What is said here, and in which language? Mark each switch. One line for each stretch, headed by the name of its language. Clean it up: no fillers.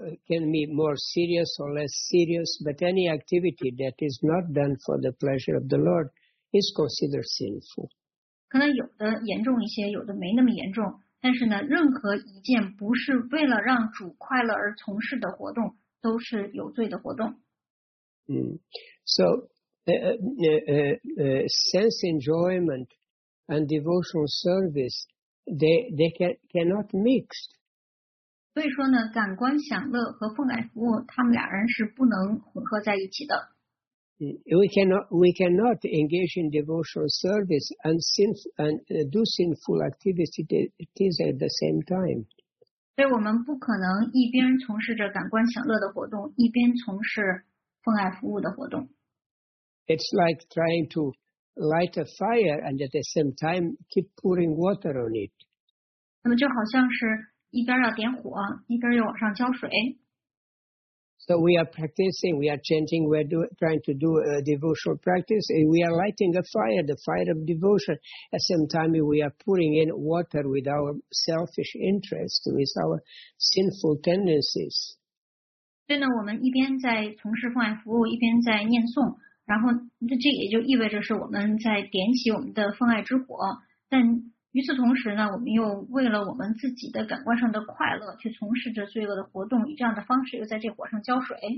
English: Can be more serious or less serious, but any activity that is not done for the pleasure of the Lord is considered sinful.
Chinese: 可能有的严重一些，有的没那么严重，但是呢，任何一件不是为了让主快乐而从事的活动，都是有罪的活动。
English: So, sense enjoyment, and devotional service, they cannot mix.
Chinese: 所以说呢，感官享乐和奉爱服务，他们俩人是不能混合在一起的。
English: We cannot engage in devotional service and do sinful activities at the same time.
Chinese: 所以我们不可能一边从事着感官享乐的活动，一边从事奉爱服务的活动。
English: It's like trying to light a fire and at the same time keep pouring water on it.
Chinese: 那么就好像是一边要点火，一边又往上浇水。
English: So we are practicing, we are chanting, we are trying to do a devotional practice, and we are lighting a fire, the fire of devotion. At the same time, we are pouring in water with our selfish interests, with our sinful tendencies.
Chinese: 所以呢，我们一边在从事奉爱服务，一边在念诵，然后这也就意味着是我们在点起我们的奉爱之火。但与此同时呢，我们又为了我们自己的感官上的快乐，去从事着罪恶的活动，以这样的方式又在这火上浇水。